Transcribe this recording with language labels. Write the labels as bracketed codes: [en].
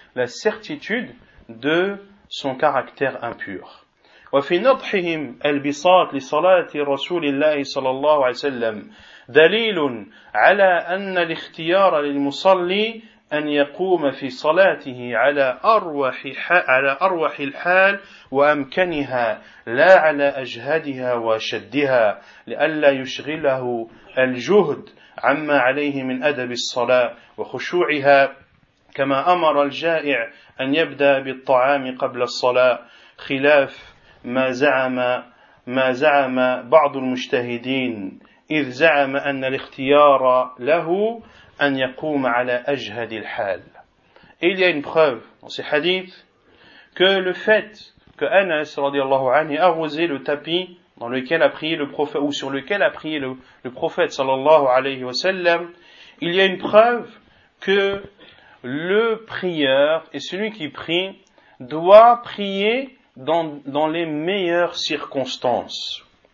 [fr] la certitude de son caractère impur. [ar] وفي نضحهم البساط لصلاة رسول الله صلى الله عليه وسلم دليل على أن الاختيار للمصلي أن يقوم في صلاته على أروح الحال وأمكنها لا على أجهدها وشدها لئلا يشغله الجهد عما عليه من أدب الصلاة وخشوعها كما أمر الجائع أن يبدأ بالطعام قبل الصلاة خلاف ما زعم بعض المجتهدين إذ زعم أن الاختيار له أن يقوم على أجهد الحال. [fr] Il y a une preuve dans ces hadiths que le fait que Anas radiallahu anhu a arrosé le tapis dans lequel a prié le prophète ou sur lequel a prié le prophète sallallahu alayhi wa sallam, il y a une preuve que le prieur et celui qui prie doit prier dans les meilleures circonstances.